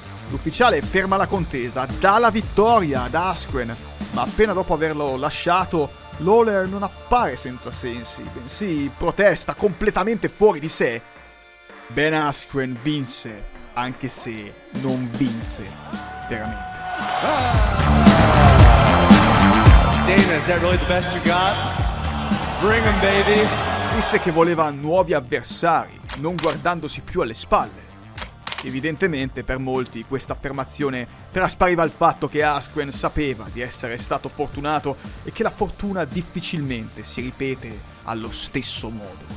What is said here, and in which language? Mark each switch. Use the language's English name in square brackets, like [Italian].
[Italian] L'ufficiale ferma la contesa, dà la vittoria ad Askren, ma appena dopo averlo lasciato, Lawler non appare senza sensi, bensì protesta completamente fuori di sé. Ben Askren vinse, anche se non vinse veramente. [English] Dana, is that really the best you got? Bring him, baby. [Italian] Disse che voleva nuovi avversari, non guardandosi più alle spalle. Evidentemente per molti questa affermazione traspariva il fatto che Askren sapeva di essere stato fortunato e che la fortuna difficilmente si ripete allo stesso modo.